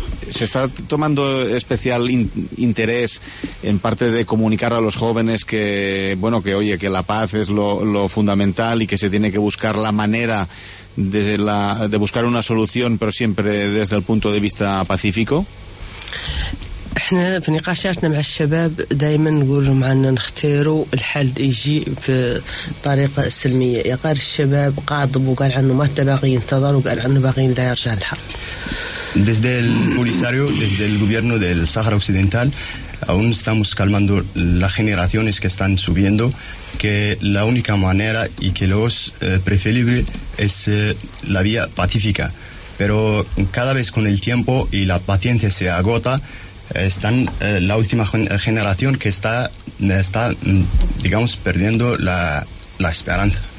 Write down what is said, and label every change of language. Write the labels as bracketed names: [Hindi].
[Spanish] ¿Se está tomando especial interés en parte de comunicar a los jóvenes que, bueno, que oye, que la paz es lo fundamental y que se tiene que buscar la manera de buscar una solución, pero siempre desde el punto de vista pacífico? [Arabic] احنا في نقاشاتنا مع الشباب دائما نقول لهم عنا نختاروا الحل يجي في طريقة سلمية. يقال الشباب قاضب وقال عنه ما تبغى ينتظر وقال عنه باغي يرجع الحق. [Spanish] Desde el Polisario, desde el gobierno del Sahara Occidental, aún estamos calmando las generaciones que están subiendo, que la única manera y que lo es preferible es la vía pacífica. Pero cada vez con el tiempo y la paciencia se agota, están la última generación que está digamos, perdiendo la esperanza.